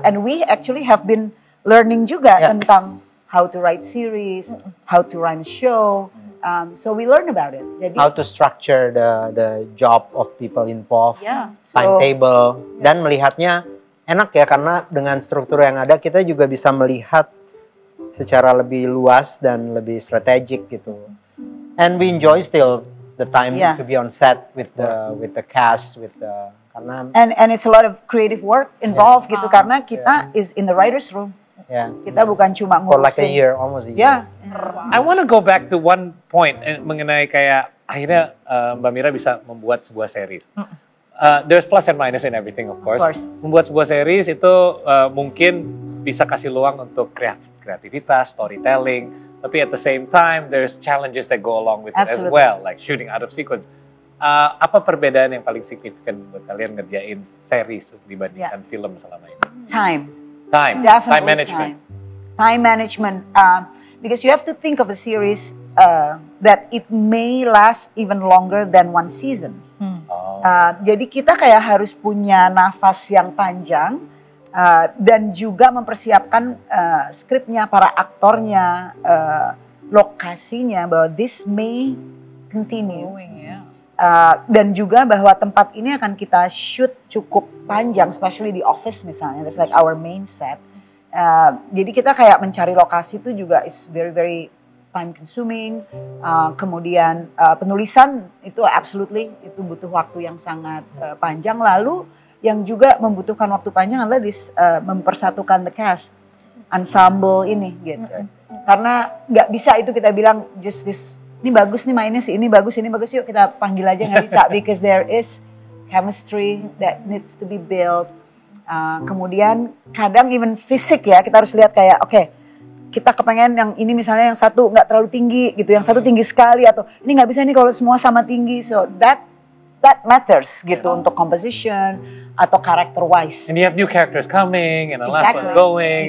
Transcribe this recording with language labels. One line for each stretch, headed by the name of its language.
English: And we actually have been learning
Indonesian: juga tentang
English: how to write series, how to run show. So we learn about it.
Indonesian: Jadi,
English: how to structure the job of people involved,
Indonesian: timetable, dan melihatnya enak ya karena dengan struktur yang ada kita juga bisa melihat secara lebih luas dan lebih strategik gitu.
English: And we enjoy still the time to be on set with the cast, with the karena and it's a lot of creative work involved
Indonesian: gitu karena kita
English: is in the writer's room.
Indonesian: Kita bukan cuma ngurusin.
English: For like a year, almost a year. I want to go back to one point
Indonesian: mengenai kayak akhirnya Mbak Mira bisa membuat sebuah seri.
English: There's plus and minus in everything, of course.
Indonesian: Membuat sebuah series itu mungkin bisa kasih luang untuk kreativitas, storytelling.
English: Tapi at the same time, there's challenges that go along with it as well, like shooting out of sequence.
Indonesian: Apa perbedaan yang paling signifikan buat kalian ngerjain series dibandingkan film selama ini?
English: Time. Definitely time management. Time management. Because you have to think of a series that it may last even longer than one season.
Indonesian: Jadi kita kayak harus punya nafas yang panjang dan juga mempersiapkan skripnya, para aktornya, lokasinya bahwa
English: this may continue.
Indonesian: Dan juga bahwa tempat ini akan kita shoot cukup panjang, especially di office misalnya,
English: that's like our main set.
Indonesian: Jadi kita kayak mencari lokasi itu juga
English: is very very time consuming,
Indonesian: kemudian penulisan itu absolutely itu butuh waktu yang sangat panjang. Lalu yang juga membutuhkan waktu panjang adalah mempersatukan the cast, ensemble ini gitu. Karena gak bisa itu kita bilang
English: just this,
Indonesian: ini bagus nih mainnya sih, ini bagus yuk kita panggil aja, gak bisa.
English: Because there is chemistry that needs to be built.
Indonesian: Kemudian kadang even fisik ya, kita harus lihat kayak okay, kita kepengen yang ini misalnya yang satu gak terlalu tinggi gitu, yang satu tinggi sekali, atau ini gak bisa nih kalau semua sama tinggi.
English: So that that matters
Indonesian: gitu untuk
English: composition atau character wise. And you have new characters coming and a last one going.